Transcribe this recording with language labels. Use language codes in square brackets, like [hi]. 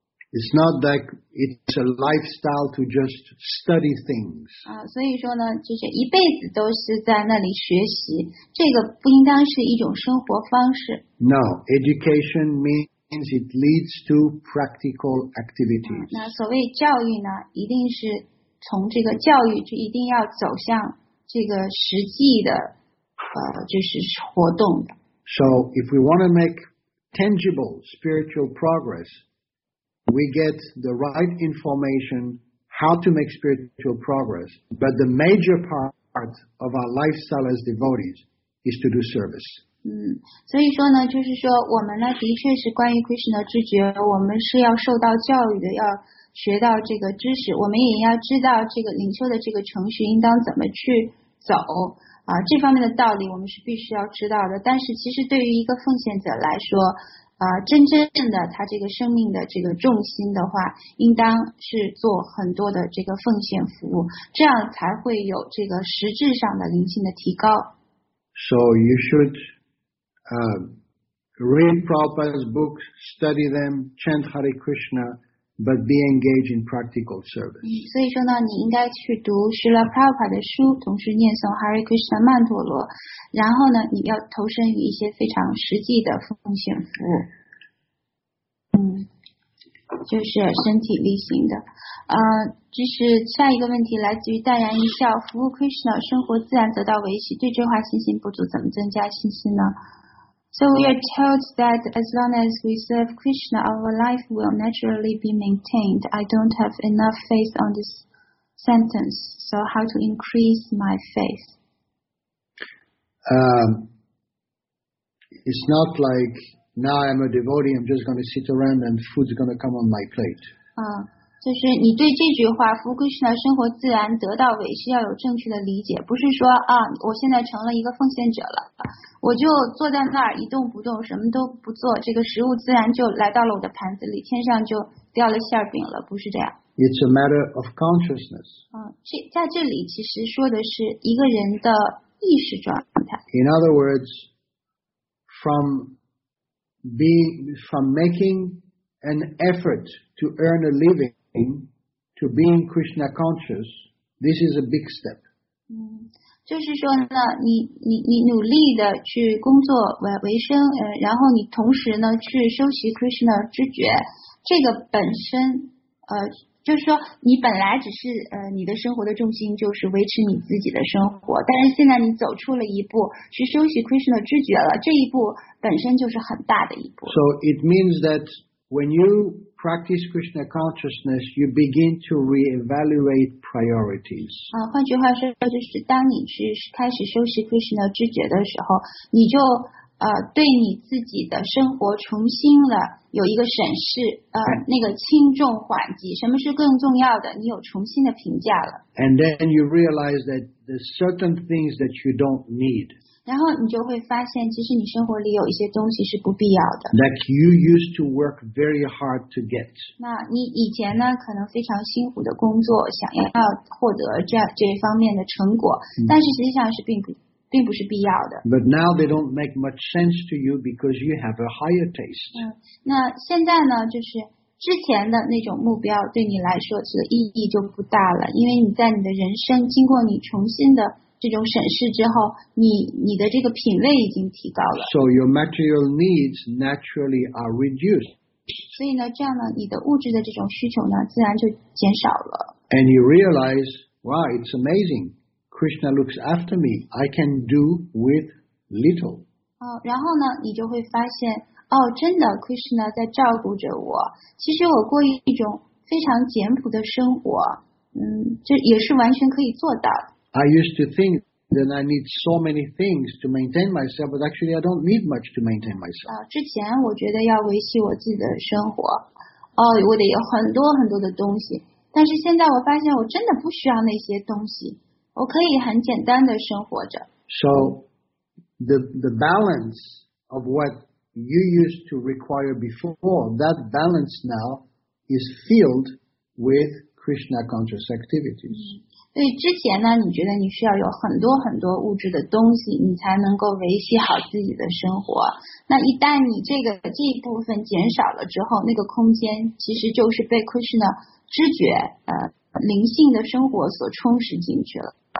[en] It's not that it's a lifestyle to just study things. [zh] 所以说呢，就是一辈子都是在那里学习，这个不应当是一种生活方式。 [en] No, education means it leads to practical activities. [zh] 那所谓教育呢，一定是从这个教育就一定要走向这个实际的，就是活动的。 [en] So if we want to make tangible spiritual progress. We get the right information how to make spiritual progress, but the major part of our lifestyle as devotees is to do service. [zh] 所以说呢，就是说我们呢，的确是关于 Krishna 的知觉，我们是要受到教育的，要学到这个知识，我们也要知道这个领袖的这个程序应当怎么去走啊，这方面的道理我们是必须要知道的。但是其实对于一个奉献者来说，啊，真正的他这个生命的这个重心的话，应当是做很多的这个奉献服务，这样才会有这个实质上的灵性的提高。 [en] So you should read Prabhupada's books, study them, chant Hare Krishna, but be engaged in practical service. [zh] 所以说呢，你应该去读释迦牟尼佛的书，同时念诵 Hare Krishna 曼陀罗，然后呢，你要投身于一些非常实际的奉献服务。就是身体力行的。这是下一个问题，来自于淡然一笑，服务 Krishna， 生活自然得到维系，对这话信心不足，怎么增加信心呢？ [en] So we are told that as long as we serve Krishna, our life will naturally be maintained. I don't have enough faith on this sentence. So how to increase my faith? It's not like now I'm a devotee, I'm just going to sit around and food's going to come on my plate. [zh] 就是你对这句话服务 Krishna 生活自然得到维系要有正确的理解，不是说啊，我现在成了一个奉献者了，我就坐在那儿一动不动，什么都不做，这个食物自然就来到了我的盘子里，天上就掉了馅饼了，不是这样。 [en] It's a matter of consciousness. [zh] 在这里其实说的是一个人的意识状态。 [en] In other words, from making an effort to earn a living. To being Krishna conscious, this is a big step. [zh] 就是说呢，你努力的去工作为生，然后你同时呢去修习 Krishna 知觉，这个本身，就是说你本来只是你的生活的重心就是维持你自己的生活，但是现在你走出了一步去修习 Krishna 知觉了，这一步本身就是很大的一步。 [en] So it means that when youPractice Krishna consciousness, you begin to reevaluate priorities. [zh] 换句话说，就是当你去开始修习 Krishna 知觉的时候，你就对你自己的生活重新了有一个审视，那个轻重缓急，什么是更重要的，你有重新的评价了。 [en] And then you realize that there's certain things that you don't need. [zh] 然后你就会发现，其实你生活里有一些东西是不必要的。 [en] That you used to work very hard to get. [zh] 那你以前呢，可能非常辛苦的工作，想要获得这方面的成果，但是实际上是并不是必要的。 [en] But now they don't make much sense to you because you have a higher taste. [zh] 那现在呢，就是之前的那种目标对你来说是意义就不大了，因为你在你的人生经过你重新的。这种审视之后，你的这个品位已经提高了。 [en] So your material needs naturally are reduced. [zh] 所以呢，这样呢，你的物质的这种需求呢，自然就减少了。 [en] And you realize, wow, it's amazing. Krishna looks after me. I can do with little. [zh] 然后呢，你就会发现，真的 ，Krishna 在照顾着我。其实我过于一种非常简朴的生活，这也是完全可以做到的。 [en] I used to think that I need so many things to maintain myself, but actually I don't need much to maintain myself. [zh] 之前我觉得要维系我自己的生活，我得有很多很多的东西。但是现在我发现我真的不需要那些东西，我可以很简单的生活着。 [en] So the balance of what you used to require before, that balance now is filled with Krishna conscious activities. [zh] 所以之前呢，你觉得你需要有很多很多物质的东西，你才能够维系好自己的生活。那一旦你这一部分减少了之后，那个空间其实就是被 Krishna 知觉灵性的生活所充实进去了。